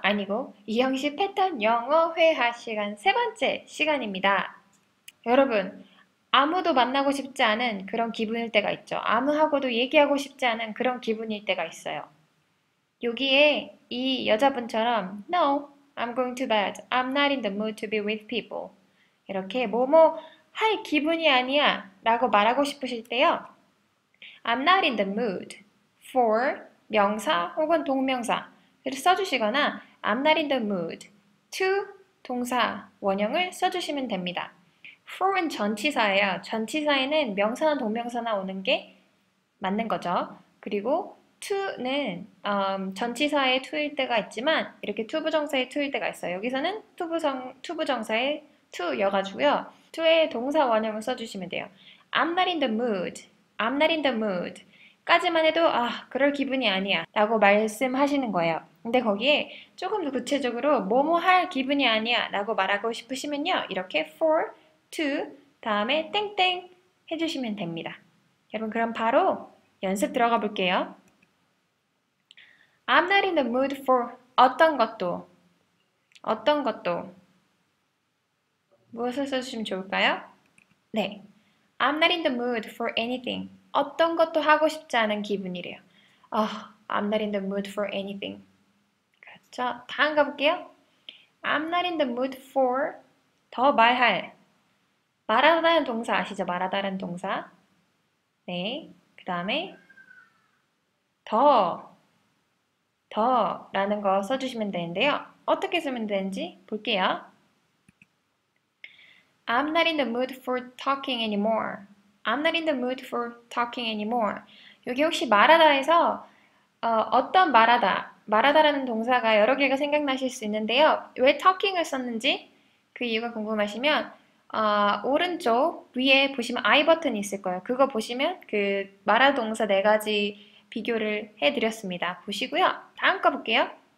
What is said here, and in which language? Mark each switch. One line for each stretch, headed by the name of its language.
Korean: 아니고, 이영씨 패턴 영어 회화 시간 세 번째 시간입니다. 여러분, 아무도 만나고 싶지 않은 그런 기분일 때가 있죠. 아무하고도 얘기하고 싶지 않은 그런 기분일 때가 있어요. 여기에 이 여자분처럼, No.
English: I'm going to bed. I'm not in the mood to be with people.
Korean: 이렇게 뭐뭐 할 기분이 아니야 라고 말하고 싶으실 때요. I'm not in the mood for 명사 혹은 동명사를 써주시거나 I'm not in the mood to 동사 원형을 써주시면 됩니다. for는 전치사예요. 전치사에는 명사나 동명사나 오는 게 맞는 거죠. 그리고 to는 전치사의 to일 때가 있지만 이렇게 to 부정사의 to일 때가 있어요. 여기서는 to 부정사의 to여가지고요. to의 동사 원형을 써주시면 돼요.
English: I'm not in the mood. I'm not in the mood.
Korean: 까지만 해도 아 그럴 기분이 아니야 라고 말씀하시는 거예요. 근데 거기에 조금 더 구체적으로 뭐뭐 할 기분이 아니야 라고 말하고 싶으시면요. 이렇게 for, to 다음에 땡땡 해주시면 됩니다. 여러분 그럼 바로 연습 들어가 볼게요. I'm not in the mood for 어떤 것도. 어떤 것도. 무엇을 써주시면 좋을까요?
English: 네. I'm not in the mood for anything.
Korean: 어떤 것도 하고 싶지 않은 기분이래요.
English: I'm not in the mood for anything.
Korean: 그렇죠? 다음 가볼게요. I'm not in the mood for 더 말할. 말하다는 동사 아시죠? 말하다는 동사. 네. 그 다음에 더. 더라는 거 써주시면 되는데요. 어떻게 쓰면 되는지 볼게요.
English: I'm not in the mood for talking anymore. I'm not in the mood for talking anymore.
Korean: 여기 혹시 말하다에서 어떤 말하다라는 동사가 여러 개가 생각나실 수 있는데요. 왜 talking을 썼는지 그 이유가 궁금하시면 오른쪽 위에 보시면 I 버튼이 있을 거예요. 그거 보시면 그 말하다 동사 네 가지 비교를 해드렸습니다. 보시고요. 다음 거 볼게요.